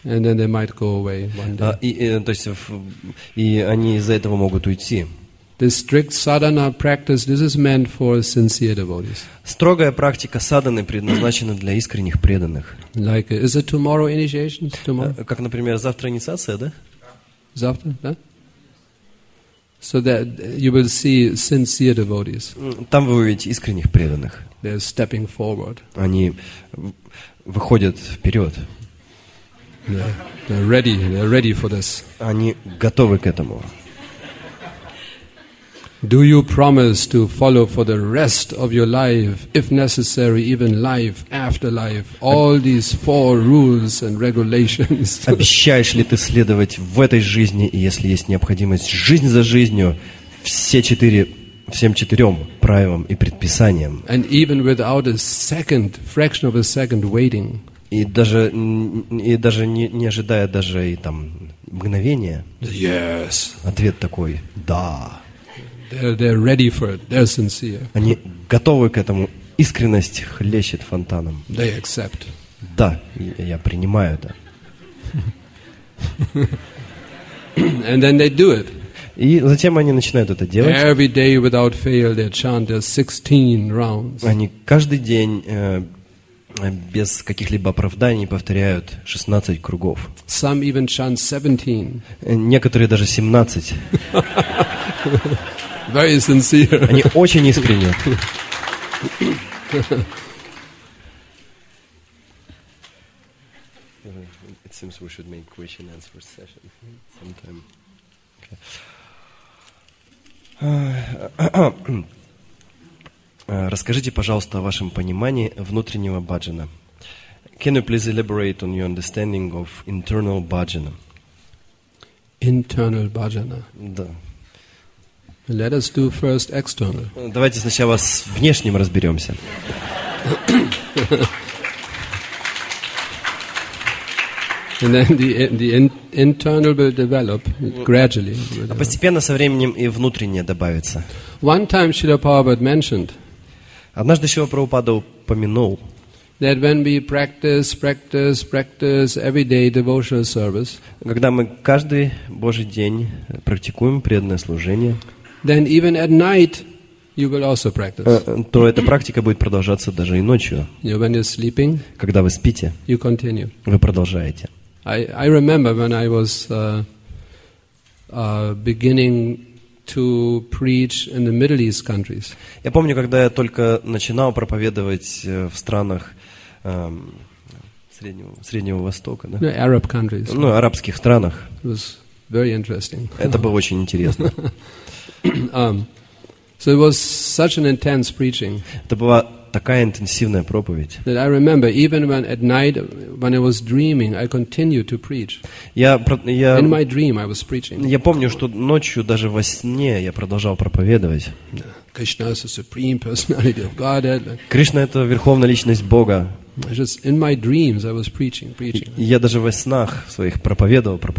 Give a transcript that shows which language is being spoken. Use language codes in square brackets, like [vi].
[en] And then they might go away one day. [ru] И они из-за этого могут уйти. [en] This strict sadhana practice, this is meant for sincere devotees. [ru] Строгая практика садханы предназначена для искренних преданных. [en] Like, is it tomorrow initiation? Tomorrow? [ru] Как, например, завтра инициация, да? Завтра, да? [en] So that you will see sincere devotees. [ru] Там вы увидите искренних преданных. [en] They're stepping forward. [ru] Они выходят вперед. [en] Yeah, they're ready for this. [ru] Они готовы к этому. [en] Do you promise to follow for the rest of your life, if necessary, even life after life, all these four rules and regulations? [ru] Обещаешь ли ты следовать в этой жизни, и если есть необходимость, жизнь за жизнью, всем четырем правилам и предписаниям? [en] And even without a second, fraction of a second waiting. [ru] И даже не ожидая мгновения. [en] Yes. [ru] Ответ такой: да. [en] They're ready for it. They're sincere. [ru] Они готовы к этому. Искренность хлещет фонтаном. [en] They accept. [ru] Да, я принимаю это. [en] And then they do it. [ru] И затем они начинают это делать. [en] Every day without fail they chant their 16 rounds. [ru] Они каждый день без каких-либо оправданий повторяют 16 кругов. [en] Some even chant 17. [ru] Некоторые даже 17. [en] Very sincere. [ru] Они очень искренне. [en] It seems we should make question and answer session sometime. [ru] Расскажите, пожалуйста, о вашем понимании внутреннего баджана. [en] Can you please elaborate on your understanding of internal bhajana? Internal bhajana. [ru] Да. [en] Let us do first external. [ru] Давайте сначала с внешним разберемся. [en] And then the internal will develop gradually. [ru] А постепенно со временем и внутреннее добавится. [en] One time Srila Prabhupada mentioned. [ru] Однажды Шрила Прабхупада упомянул. [en] That when we practice every day devotional service. [ru] Когда мы каждый божий день практикуем преданное служение. [en] Then even at night you will also practice. [ru] То эта практика будет продолжаться даже и ночью. [en] You, when you're sleeping, [ru] когда вы спите, [en] you continue. [ru] Вы продолжаете. [en] I remember when I was beginning to preach in the Middle East countries. [ru] Я помню, когда я только начинал проповедовать в странах Среднего Востока, да? [en] No, Arab countries. [ru] Ну, арабских странах. [en] It was very interesting. [ru] Это было очень интересно. [en] So it was such an intense preaching. [ru] Это была такая интенсивная проповедь. [en] That I remember, even when at night, when I was dreaming, I continued to preach. In my dream, I was preaching. [ru] Я помню, что ночью даже во сне я продолжал проповедовать. [en] Krishna is the supreme personality of Godhead. [ru] Кришна это верховная личность Бога. [en] Just in my dreams, I was preaching. [ru] Я даже во снах своих проповедовал.